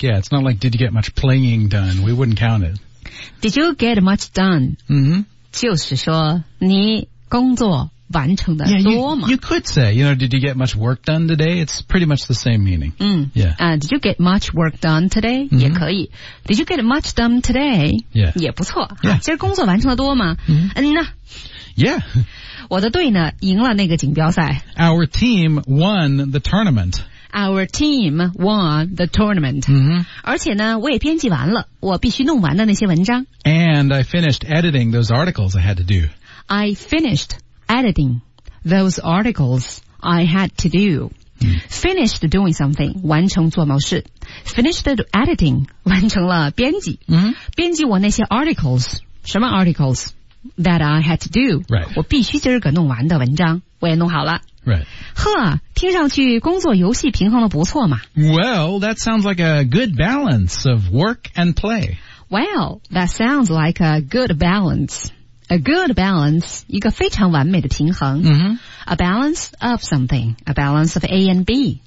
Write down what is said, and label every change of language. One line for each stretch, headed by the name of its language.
English: Yeah, it's not like did you get much playing done, we wouldn't count it. Did you get much done? 嗯、mm-hmm.
Chinese: 就是说你工作完成的多吗
English: yeah, you could say, you know, did you get much work done today? It's pretty much the same meaning. 嗯 yeah. Did you get much work done today?、 Mm-hmm.
Chinese: 也可以。
English: Did you get much done today? Yeah.
Chinese: 也不错。
English: Yeah.
Chinese: 今儿工作完成的多吗、 mm-hmm. 嗯呢。
English: Yeah.
Chinese: 我的队呢赢了那个锦标赛。
English: Our team won the tournament. Our team won the tournament.、 Mm-hmm.
Chinese: 而且呢我也编辑完了我必须弄完的那些文章。
English: And I finished editing those articles I had to do. I finished. Editing those articles I had to do.、嗯、 finished doing something,
Chinese: 完成做某事。
English: Finished editing,
Chinese: 完成了编辑。嗯、编辑我那些
English: articles,
Chinese: 什么
English: articles that I had to do,、 right.
Chinese: 我必须今儿个弄完的文章我也弄好了。
English: Right.
Chinese: 呵听上去工作游戏平衡的不错嘛。
English: Well, that sounds like a good balance of work and play. Well, that sounds like a good balance. A good balance,
Chinese: 一个非常完美的平衡、 mm-hmm.
English: A balance of something, a balance of A and B、